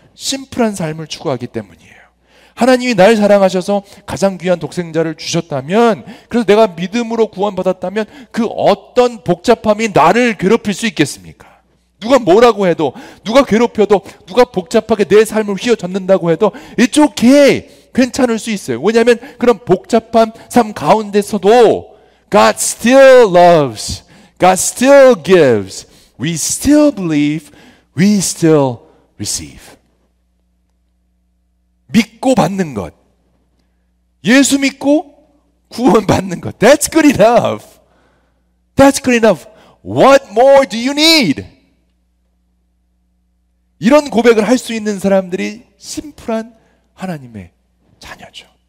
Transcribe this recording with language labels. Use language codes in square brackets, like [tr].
[ko] 심플한 삶을 추구하기 때문이에요. 하나님이 날 사랑하셔서 가장 귀한 독생자를 주셨다면 그래서 내가 믿음으로 구원받았다면 그 어떤 복잡함이 나를 괴롭힐 수 있겠습니까? 누가 뭐라고 해도 누가 괴롭혀도 누가 복잡하게 내 삶을 휘어젓는다고 해도 이쪽에 괜찮을 수 있어요. 왜냐하면 그런 복잡한 삶 가운데서도 [en] God still loves, God still gives, we still believe, we still receive. [ko] 믿고 받는 것, 예수 믿고 구원 받는 것. [en] That's good enough. That's good enough. What more do you need? [ko] 이런 고백을 할 수 있는 사람들이 심플한 하나님의 자녀죠.